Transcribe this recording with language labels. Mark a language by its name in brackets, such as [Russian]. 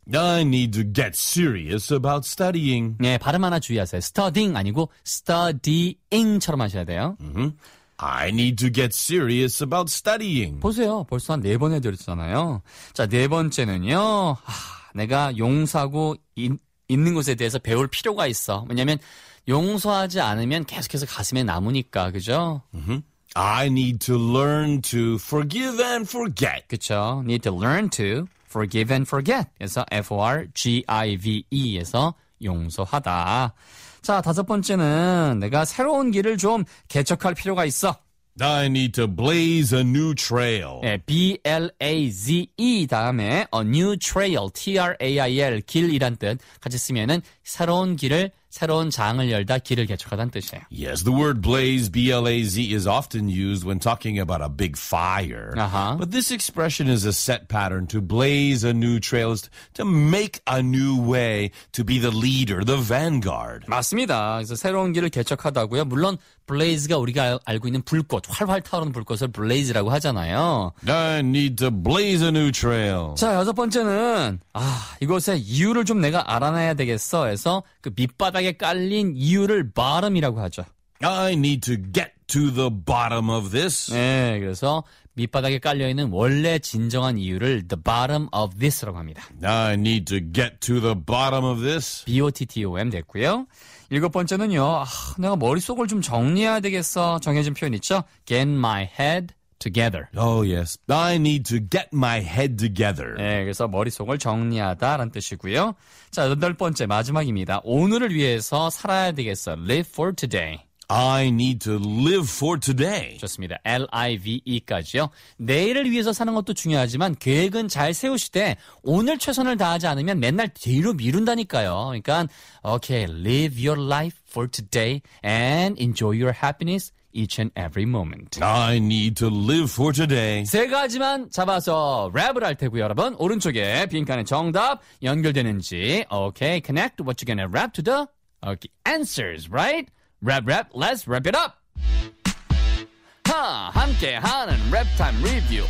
[English] I need to get serious about studying. [Korean] 네, 발음 하나 주의하세요. studying 아니고 studying처럼 하셔야 돼요. [English] I need to get serious about studying. [Korean] 보세요. 벌써 한 네 번 해드렸잖아요. 자, 네 번째는요. 하, 내가 용서하고 있는 것에 대해서 배울 필요가 있어. 왜냐하면 용서하지 않으면 계속해서 가슴에 남으니까, 그죠? [English] I need to learn to forgive and forget. [Korean] 그쵸. [English] Need to learn to forgive and forget. [Korean] 그래서 forgive에서 용서하다. 자, 다섯 번째는 내가 새로운 길을 좀 개척할 필요가 있어. [English] I need to blaze a new trail. [Korean] 네, blaze 다음에 a new trail, trail, 길이란 뜻 같이 쓰면은 새로운 길을 새로운 장을 열다 길을 개척하다는 뜻이에요. [English] Yes, the word blaze, B-L-A-Z, is often used when talking about a big fire. Uh-huh. But this expression is a set pattern to blaze a new trail, to make a new way, to be the leader, the vanguard. [Korean] 맞습니다. 그래서 새로운 길을 개척하다고요. 물론 blaze가 우리가 알고 있는 불꽃, 활활 타오르는 불꽃을 blaze라고 하잖아요. [English] I need to blaze a new trail. [Korean] 자, 여섯 번째는 아, 이것의 이유를 좀 내가 알아내야 되겠어 해서 그 밑바 바닥에 깔린 이유를 bottom이라고 하죠. [English] I need to get to the bottom of this. [Korean] 네, 그래서 밑바닥에 깔려있는 원래 진정한 이유를 the bottom of this라고 합니다. [English] I need to get to the bottom of this. [Korean] B-O-T-T-O-M 됐고요. 일곱 번째는요. 아, 내가 머릿속을 좀 정리해야 되겠어. 정해진 표현 있죠? [English] Get my head together. Oh, yes. I need to get my head together. [Korean] 네, 그래서 머릿속을 정리하다라는 뜻이고요. 자, 여덟 번째, 마지막입니다. 오늘을 위해서 살아야 되겠어. [English] Live for today. I need to live for today. [Korean] 좋습니다. L-I-V-E까지요. 내일을 위해서 사는 것도 중요하지만 계획은 잘 세우시되 오늘 최선을 다하지 않으면 맨날 뒤로 미룬다니까요. 그러니까, [English] okay, live your life for today and enjoy your happiness each and every moment. I need to live for today. [Korean] 세 가지만 잡아서 랩을 할 테고요, 여러분. 오른쪽에 빈칸에 정답 연결되는지. [English] Okay, connect what you're gonna rap to the okay, answers, right? Rap, rap, let's wrap it up. [Korean] 하, 함께하는 랩 타임 리뷰.